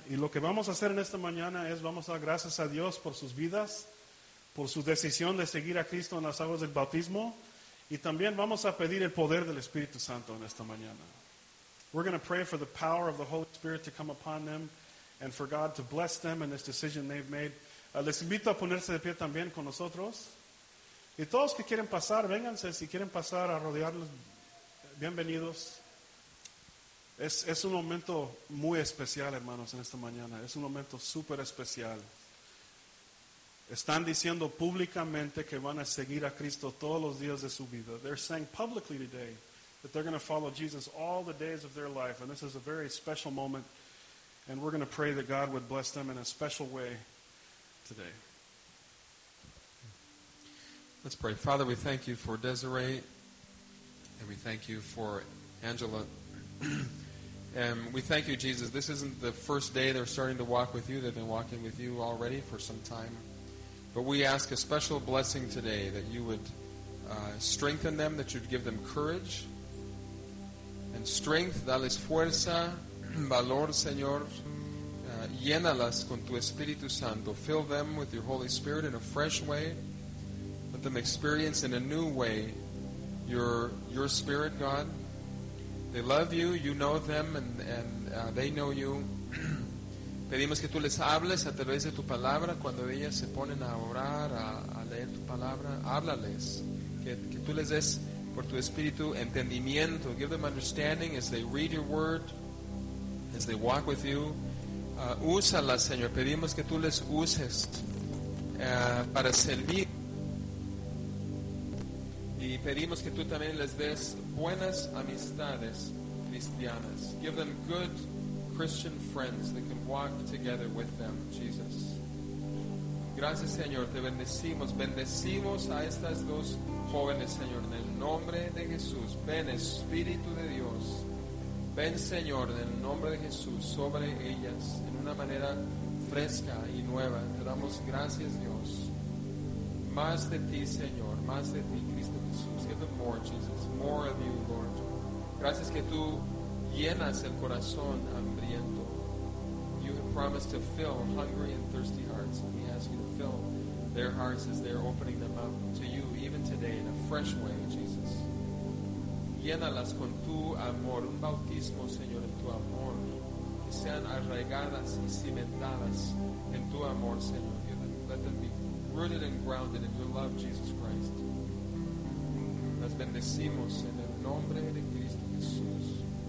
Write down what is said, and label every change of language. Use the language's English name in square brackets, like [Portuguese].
[Spanish] Y lo que vamos a hacer en esta mañana es vamos a dar gracias a Dios por sus vidas, por su decisión de seguir a Cristo en las aguas del bautismo. Y también vamos a pedir el poder del Espíritu Santo en esta mañana. [English] We're going to pray for the power of the Holy Spirit to come upon them and for God to bless them in this decision they've made. [Spanish] Les invito a ponerse de pie también con nosotros. Y todos que quieren pasar, vénganse. Si quieren pasar a rodearlos, bienvenidos. Es un momento muy especial, hermanos, en esta mañana. Es un momento súper especial. Están diciendo públicamente que van a seguir a Cristo todos los días de su vida. [English] They're saying publicly today that they're going to follow Jesus all the days of their life. And this is a very special moment. And we're going to pray that God would bless them in a special way today. Let's pray. Father, we thank you for Desiree. And we thank you for Angela. And we thank you, Jesus. This isn't the first day they're starting to walk with you. They've been walking with you already for some time. But we ask a special blessing today that you would strengthen them, that you'd give them courage. And strength, [Spanish] dales fuerza, valor, Señor. Llénalas con tu Espíritu Santo. [English] Fill them with your Holy Spirit in a fresh way. Let them experience in a new way your Spirit, God. They love you. You know them, and they know you. [Spanish] Pedimos que tú les hables a través de tu palabra. Cuando ellas se ponen a orar, a leer tu palabra, háblales. Que tú les des por tu espíritu entendimiento. [English] Give them understanding as they read your word, as they walk with you. [Spanish] Úsalas, Señor. Pedimos que tú les uses para servir. Y pedimos que tú también les des buenas amistades cristianas. [English] Give them good Christian friends that can walk together with them, Jesus. [Spanish] Gracias, Señor. Te bendecimos. Bendecimos a estas dos jóvenes, Señor. En el nombre de Jesús. Ven, Espíritu de Dios. Ven, Señor, en el nombre de Jesús, sobre ellas, en una manera fresca y nueva. Te damos gracias, Dios. Más de ti, Señor. Más de ti, Cristo Jesús. [English] Give them more, Jesus. More of you, Lord. [Spanish] Gracias que tú llenas el corazón hambriento. [English] You have promised to fill hungry and thirsty hearts. And we ask you to fill their hearts as they are opening them up to you, even today, in a fresh way, Jesus. [Spanish] Llénalas con tu amor. Un bautismo, Señor, en tu amor. Que sean arraigadas y cimentadas en tu amor, Señor. [English] Let them be rooted and grounded in your love, Jesus Christ. [Spanish] Las bendecimos en el nombre de Cristo Jesús.